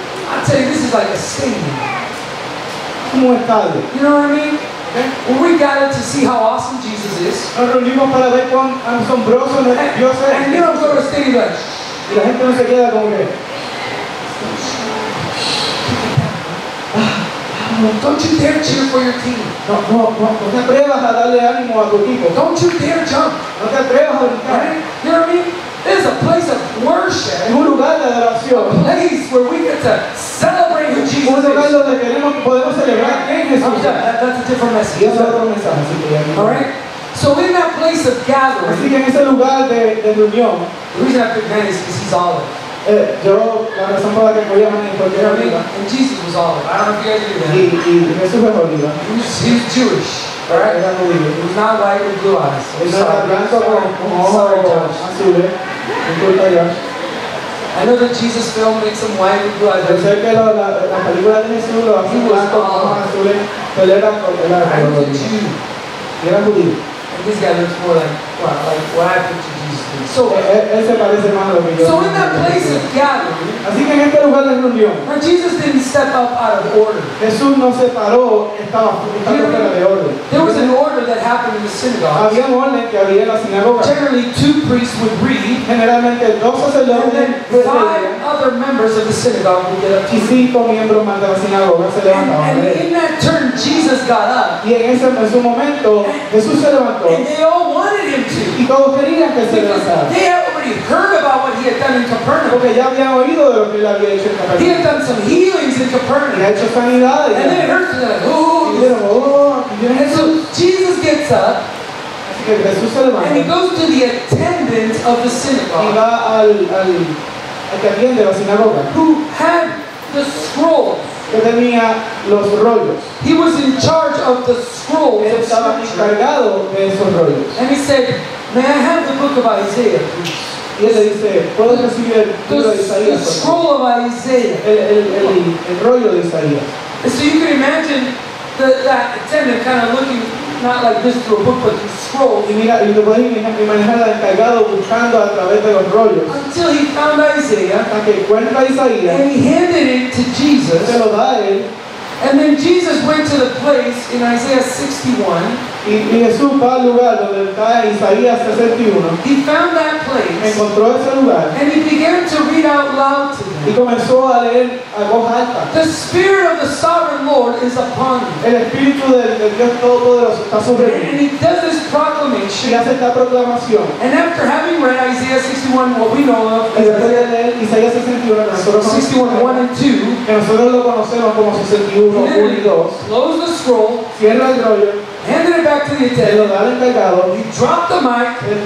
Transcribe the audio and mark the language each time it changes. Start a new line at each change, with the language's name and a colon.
English: I tell you, this is like a stadium. You know what I mean? Okay. When we gather to see how awesome Jesus is. And you don't go to a stadium like, shh.
Spanish: Y la gente no se queda como que.
English: Don't you dare cheer for your team.
Spanish: No te atrevas a darle ánimo a tu equipo.
English: Don't you dare jump.
Spanish: No te atrevas a brincar.
English: Right? You know what I mean? This is a place of worship.
Spanish: Es un lugar de adoración.
English: A place where we get to celebrate who Jesus is.
Spanish: Un lugar donde queremos, podemos celebrar en Jesús.
English: That's a different message.
Spanish: Es otro mensaje, sí,
English: all right? So in that place of gathering.
Spanish: Así que en ese lugar de reunión.
English: The reason I picked man is because he's all of it.
Spanish: Yo, la razón por la que podía venir porque era oliva.
English: And Jesus was olive. I don't know if you guys knew that.
Spanish: Jesús era oliva.
English: He's Jewish. Alright?
Spanish: Era oliva.
English: He was not white with blue eyes.
Spanish: Él era blanco con ojos azules. Disculpa, Josh.
English: I know that Jesus film makes him white with blue eyes.
Spanish: Yo sé que la película de Jesús lo hace blanco con ojos azules. Pero él era judío. Era judío.
English: And this guy looks more like what I put to Jesus. So, so in that place of gathering,
Spanish: así que en este lugar de reunión,
English: where Jesus didn't step up out of order,
Spanish: Jesús no se paró, estaba fuera de orden.
English: There was an order that happened in the synagogue.
Spanish: Había un orden que había en la sinagoga.
English: Generally, two priests would read,
Spanish: generalmente dos sacerdotes,
English: and then five other members of the synagogue would get up.
Spanish: Y cinco miembros más de la sinagoga se levantaban.
English: And in that turn, Jesus got up.
Spanish: Y en ese momento, Jesús se levantó.
English: And they all wanted him to.
Spanish: Y todos querían que se
English: they had already heard about what he had done in Capernaum.
Spanish: Porque ya habían oído de lo que él había hecho en Capernaum.
English: He had done some healings in Capernaum.
Spanish: Y ha hecho sanidades.
English: And then it hurts like, oh. And so Jesus gets up.
Spanish: Así que Jesús se levanta.
English: And he goes to the attendant of the synagogue.
Spanish: Y va al que atiende la sinagoga.
English: Who had the scrolls.
Spanish: Que tenía los rollos.
English: He was in charge of the scrolls.
Spanish: Él estaba encargado de esos rollos.
English: And he said, may I have the book of Isaiah?
Spanish: Y él le dice, ¿puedo recibir el libro de Isaías?
English: The scroll of Isaiah.
Spanish: El rollo de Isaías.
English: And so you can imagine that attendant kind of looking not like this through a book, but through scrolls.
Spanish: Y mira, y lo podéis imaginar al encargado buscando a través de los rollos.
English: Until he found Isaiah.
Spanish: Hasta que encuentra Isaías.
English: And he handed it to Jesus.
Spanish: Se lo da a él.
English: And then Jesus went to the place in Isaiah 61.
Spanish: Y Jesús va al lugar donde está Isaías 61.
English: He found that place.
Spanish: Encontró ese lugar.
English: And he began to read out loud to them.
Spanish: Y comenzó a leer a voz alta.
English: The Spirit of the Sovereign Lord is upon you.
Spanish: El Espíritu del Dios Todopoderoso está sobre mí.
English: And he does this proclamation.
Spanish: Y hace esta proclamación.
English: And after having read Isaiah 61, what we know of.
Spanish: Y después de leer Isaiah 61, nosotros
English: 61, 1 and 2.
Spanish: Que nosotros lo conocemos como 61, 1 y 2.
English: Close the scroll.
Spanish: Cierra el rollo.
English: Handed it back to the attendant. He dropped the mic.